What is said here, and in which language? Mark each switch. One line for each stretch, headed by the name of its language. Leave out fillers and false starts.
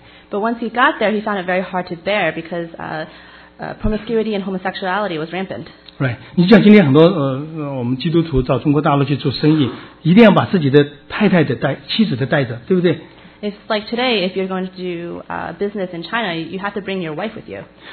English: But once he got there, he found it very hard to bear because promiscuity and homosexuality was rampant. Right.
Chinese: 你像今天很多我们基督徒到中国大陆去做生意，一定要把自己的太太的带，妻子的带着，对不对？
English: It's like today, if you're going to do business in China, you have to bring your wife with you.